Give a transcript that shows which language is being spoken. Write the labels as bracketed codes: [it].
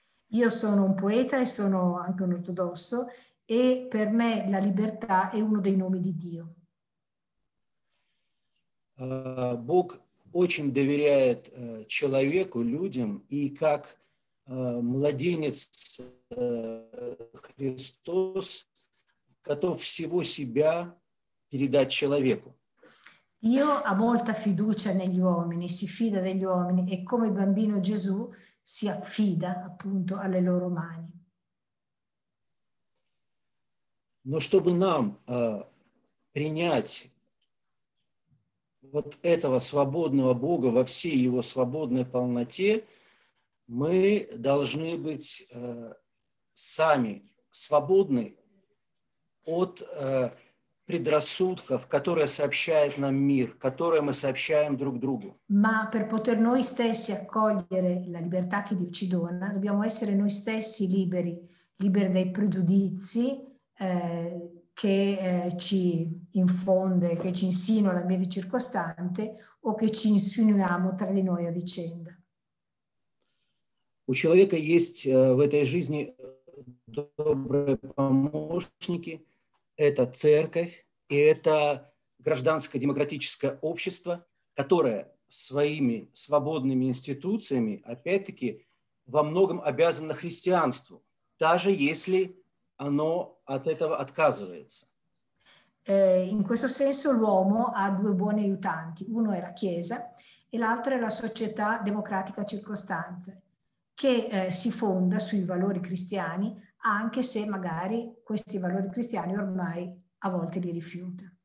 [it] Io sono un poeta e sono anche un ortodosso, e per me la libertà è uno dei nomi di Dio. [ru] Бог очень доверяет человеку, людям, и как младенец Христос готов всего себя передать человеку. [it] Dio ha molta fiducia negli uomini, si fida degli uomini e come il bambino Gesù si affida appunto alle loro mani. [ru] Но чтобы нам принять вот этого свободного Бога во всей его свободной полноте, мы должны быть сами свободны от предрассудков, которые сообщает нам мир, которые мы сообщаем друг другу. [it] Ma per poter noi stessi accogliere la libertà che Dio ci dona, dobbiamo essere noi stessi liberi, liberi dai pregiudizi che ci infonde, che ci insinua l'ambiente circostante o che ci insinuiamo tra di noi a vicenda. [ru] У человека есть в этой жизни добрые помощники. Это церковь. И это гражданское демократическое общество, которое своими свободными институциями, опять-таки, во многом обязано христианству, даже если оно от этого отказывается. [it] In questo senso l'uomo ha due buoni aiutanti. Uno è la Chiesa e l'altro è la società democratica circostante, che si fonda sui valori cristiani, anche se magari questi valori cristiani ormai a volte li rifiuta.